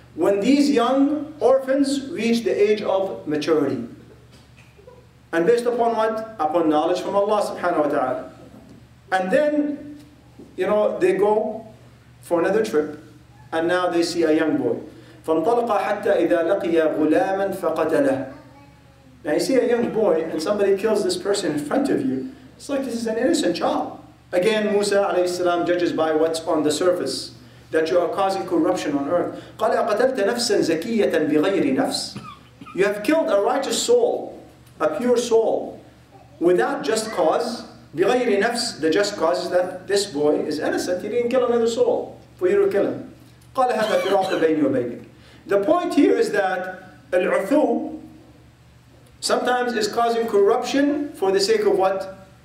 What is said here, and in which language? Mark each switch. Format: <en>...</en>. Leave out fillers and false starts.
<en>When these young orphans reach the age of maturity. And based upon what? Upon knowledge from Allah subhanahu wa ta'ala. And then, you know, they go for another trip, and now they see a young boy.</en> <ar>فانطلق حتى إذا لقي غلاما فقتله.</ar> <en>Now you see a young boy and somebody kills this person in front of you. It's like this is an innocent child. Again, Musa alayhi salam judges by what's on the surface, that you are causing corruption on earth.</en> <ar>قال أقتلت نفسا زكية بغير نفس.</ar> <en>You have killed a righteous soul, a pure soul, without just cause.</en> <ar>بغير نفس,</ar> <en>the just cause is that this boy is innocent. He didn't kill another soul for you to kill him.</en> <ar>قال هذا فراق بيني وبينك.</ar> <en>The point here is that al-'uthu sometimes is causing corruption for the sake of what?</en>